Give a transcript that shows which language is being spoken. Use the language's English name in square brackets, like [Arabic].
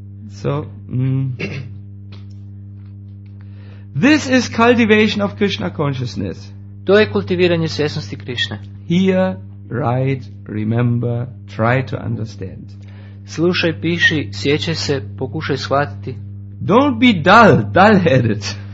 [English] So, this is cultivation of Krishna consciousness. [Croatian] To je kultiviranje svjesnosti Krishna. [English] Hear, write, remember, try to understand. [Croatian] Slušaj, piši, sjećaj se, pokušaj shvatiti. [English] Don't be dull, dull-headed.